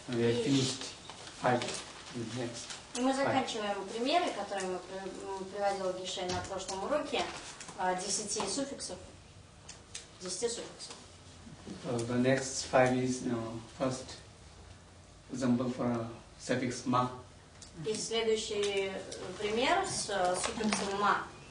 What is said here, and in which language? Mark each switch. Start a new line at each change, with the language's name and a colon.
English: We have finished five next.
Russian: И мы заканчиваем примеры, которые мы приводил Гише на прошлом уроке, десяти суффиксов.
English: The next five is first example for suffix ma.
Russian: И следующий пример с суффиксом ma.